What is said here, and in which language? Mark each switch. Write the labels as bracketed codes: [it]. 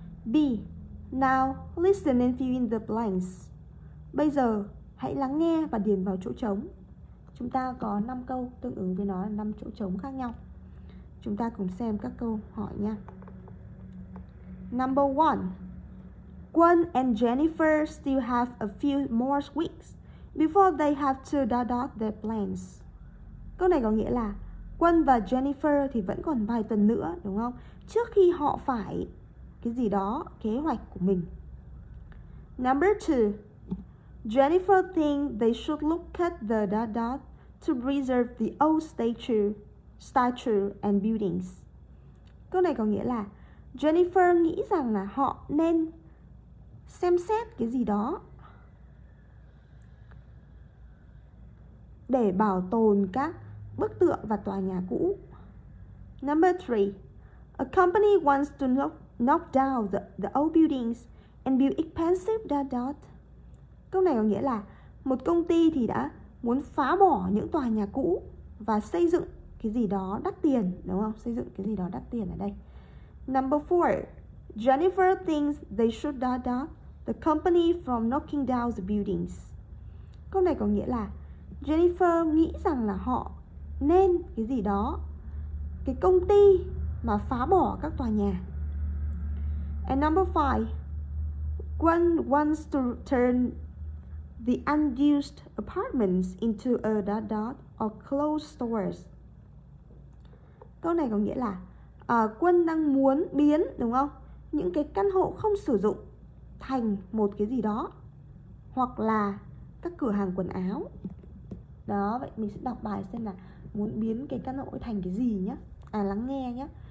[en] B. Now, listen and fill in the blanks. [vi] Bây giờ, hãy lắng nghe và điền vào chỗ trống. Chúng ta có 5 câu tương ứng với nó là 5 chỗ trống khác nhau. Chúng ta cùng xem các câu hỏi nha. [en] Number 1. Gwen and Jennifer still have a few more weeks before they have to dot out their plans. [vi] Câu này có nghĩa là Quân và Jennifer thì vẫn còn vài tuần nữa, đúng không? Trước khi họ phải cái gì đó, kế hoạch của mình. [en] Number 2. Jennifer think they should look at the dot dot to preserve the old statue and buildings. [vi] Câu này có nghĩa là Jennifer nghĩ rằng là họ nên xem xét cái gì đó để bảo tồn các bức tượng và tòa nhà cũ. [en] Number 3. A company wants to knock down the old buildings and build expensive dot dot. [vi] Câu này có nghĩa là một công ty thì đã muốn phá bỏ những tòa nhà cũ và xây dựng cái gì đó đắt tiền, đúng không? Xây dựng cái gì đó đắt tiền ở đây. [en] Number 4. Jennifer thinks they should dot dot the company from knocking down the buildings. [vi] Câu này có nghĩa là Jennifer nghĩ rằng là họ nên cái gì đó, cái công ty mà phá bỏ các tòa nhà. [en] And number 5, Gwen wants to turn the unused apartments into a dot dot or closed stores. [vi] Câu này có nghĩa là Quân đang muốn biến, đúng không, những cái căn hộ không sử dụng thành một cái gì đó, hoặc là các cửa hàng quần áo. Đó, vậy mình sẽ đọc bài xem là muốn biến cái căn hộ thành cái gì nhé. À, lắng nghe nhé.